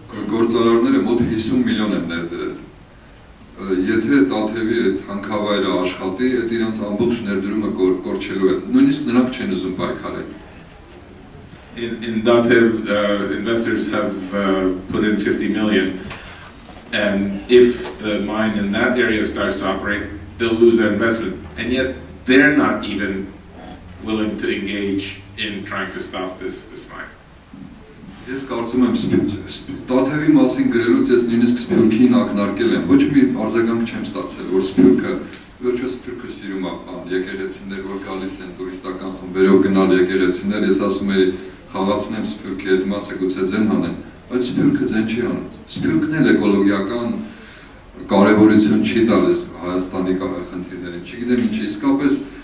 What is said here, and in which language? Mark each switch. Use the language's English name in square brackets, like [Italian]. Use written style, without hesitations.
[Armenian] Գործարարները մոտ 50 միլիոն են ներդրել։ Եթե Տաթևի այդ հանքավայրը աշխատի, այդ իրանց ամբողջ ներդրումը կորչելու է։ Նույնիսկ նրանք չեն ուզում պայքարել։ [English] In Tathev, investors have put in 50 million, and if the mine in that area starts to operate, they'll lose their investment. And yet, they're not even willing to engage in trying to stop this mine. [Armenian] Ես կարծում եմ Տաթևի մասին գրելուց ես նույնիսկ Սփյուռքին ակնարկել եմ, ոչ մի արձագանք չեմ ստացել, որ Սփյուռքը, ոչ Սփյուռքը սիրում է բան, եկեղեցիներ, որ գալիս են տուրիստական խմբերով գնալ եկեղեցիներ, ես ասում եի խաղացնեմ Սփյուռքի այդ մասը, գուցե ձեն հանեմ, բայց Սփյուռքը ձեն չի անում, Սփյուռքն էլ էկոլոգիական կարևորություն չի տալիս Հայաստանի խնդիրներին, չգիտեմ ինչի, իսկապես